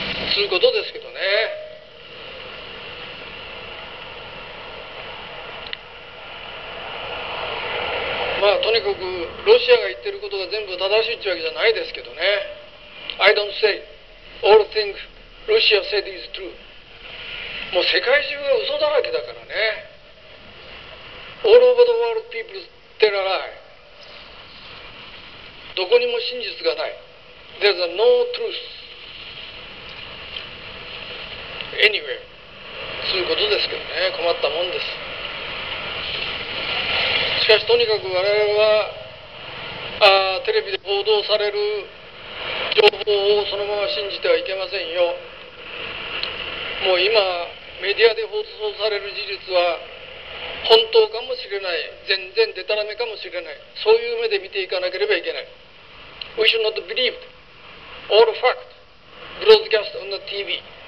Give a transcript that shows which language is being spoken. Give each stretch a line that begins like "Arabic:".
Japanese: つうことですけどね、まあとにかくロシアが言ってることが全部正しいってわけじゃないですけどね。
English: I don't say all things Russia said is true。
Japanese: もう世界中が嘘だらけだからね。
English: All over the world people tell a lie。
Japanese: どこにも真実がない。
English: There's no truth anywhere。
Japanese: そういうことですけどね、困ったもんです。しかしとにかく我々はテレビで報道される情報をそのまま信じてはいけませんよ。もう今メディアで放送される事実は本当かもしれない、全然デタラメかもしれない、そういう目で見ていかなければいけない。
English: We should not believe all facts broadcast on the TV.